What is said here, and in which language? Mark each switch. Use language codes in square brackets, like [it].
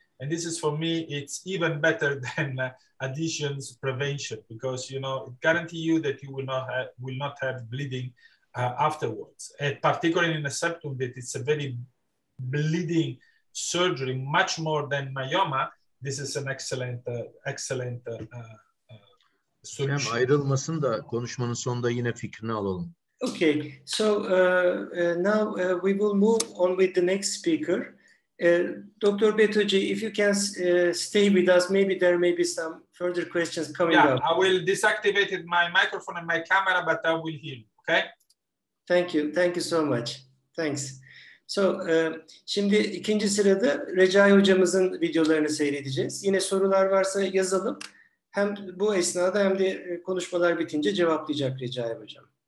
[en] And this is, for me, it's even better than adhesions prevention, because, you know, it guarantees you that you will not have bleeding afterwards, and particularly in a septum that it's a very bleeding surgery, much more than myoma. This is an excellent solution. [tr] Hem ayrılmasın da konuşmanın sonunda yine fikrini alalım. [en] Okay, so now we will move on with the next speaker. Dr. BETTOCHI, if you can stay with us, maybe there may be some further questions coming up. Yeah, I will deactivate my microphone and my camera, but I will hear you, okay? Thank you. Thank you so much. Thanks. [tr] So, şimdi ikinci sırada Recai hocamızın videolarını seyredeceğiz. Yine sorular varsa yazalım. Hem bu esnada hem de konuşmalar bitince cevaplayacak Recai hocam.